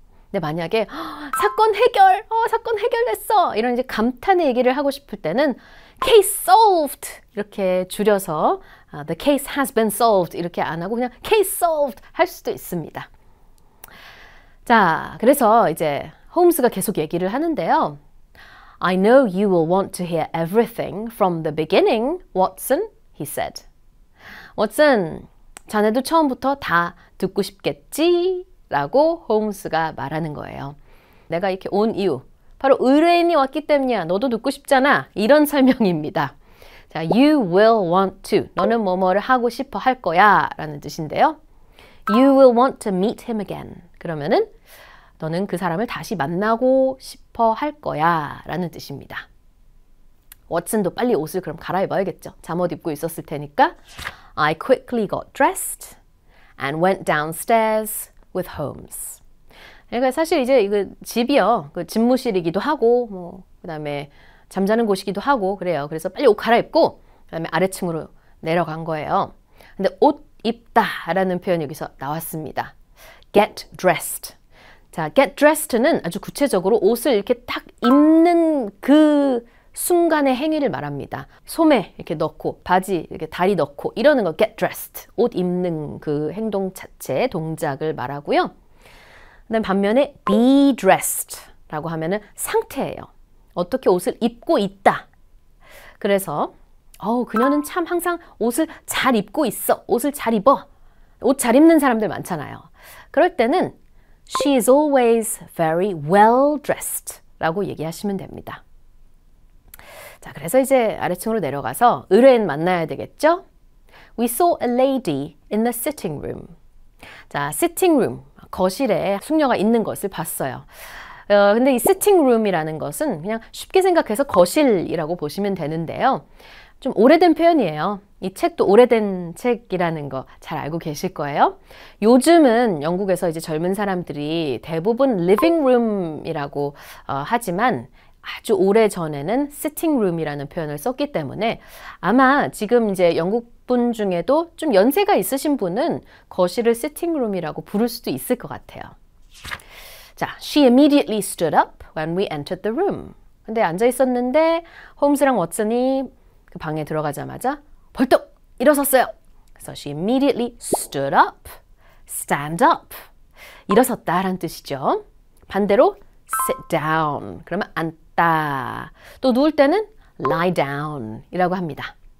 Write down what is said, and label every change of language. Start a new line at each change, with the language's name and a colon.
Korean: 근데 만약에 사건 해결, 사건 해결됐어 이런 이제 감탄의 얘기를 하고 싶을 때는 case solved 이렇게 줄여서
English: The case has been solved
Korean: 이렇게 안 하고 그냥 case solved 할 수도 있습니다. 자, 그래서 이제 홈스가 계속 얘기를 하는데요.
English: I know you will want to hear everything from the beginning, Watson, he said.
Korean: Watson, 자네도 처음부터 다 듣고 싶겠지? 라고 홈스가 말하는 거예요. 내가 이렇게 온 이유, 바로 의뢰인이 왔기 때문이야. 너도 듣고 싶잖아. 이런 설명입니다. 자,
English: you will want to.
Korean: 너는 뭐뭐를 하고 싶어 할 거야 라는 뜻인데요.
English: You will want to meet him again.
Korean: 그러면은 너는 그 사람을 다시 만나고 싶어 할 거야 라는 뜻입니다. 워슨도 빨리 옷을 그럼 갈아입어야겠죠. 잠옷 입고 있었을 테니까.
English: I quickly got dressed and went downstairs with Holmes.
Korean: 그러니까 사실 이제 이거 집이요. 그 집무실이기도 하고 뭐 그다음에 잠자는 곳이기도 하고 그래요. 그래서 빨리 옷 갈아입고 그다음에 아래층으로 내려간 거예요. 근데 옷 입다라는 표현 여기서 나왔습니다.
English: Get dressed.
Korean: 자, get dressed는 아주 구체적으로 옷을 이렇게 딱 입는 그 순간의 행위를 말합니다. 소매 이렇게 넣고 바지 이렇게 다리 넣고 이러는 거 get dressed. 옷 입는 그 행동 자체 동작을 말하고요. 그다음 반면에 be dressed라고 하면은 상태예요. 어떻게 옷을 입고 있다. 그래서 그녀는 참 항상 옷을 잘 입고 있어. 옷을 잘 입어. 옷 잘 입는 사람들 많잖아요. 그럴 때는
English: She is always very well dressed
Korean: 라고 얘기하시면 됩니다. 자, 그래서 이제 아래층으로 내려가서 의뢰인 만나야 되겠죠?
English: We saw a lady in the sitting room.
Korean: 자, sitting room, 거실에 숙녀가 있는 것을 봤어요. 근데 이 sitting room이라는 것은 그냥 쉽게 생각해서 거실이라고 보시면 되는데요. 좀 오래된 표현이에요. 이 책도 오래된 책이라는 거 잘 알고 계실 거예요. 요즘은 영국에서 이제 젊은 사람들이 대부분 living room이라고 하지만 아주 오래 전에는 sitting room이라는 표현을 썼기 때문에 아마 지금 이제 영국 분 중에도 좀 연세가 있으신 분은 거실을 sitting room이라고 부를 수도 있을 것 같아요.
English: 자, she immediately stood up when we entered the room.
Korean: 근데 앉아 있었는데 홈스랑 워슨이 그 방에 들어가자마자 벌떡 일어섰어요.
English: So she immediately stood up, stand up.
Korean: 일어섰다라는 뜻이죠. 반대로 sit down. 그러면 앉다. 또 누울 때는 lie down이라고 합니다.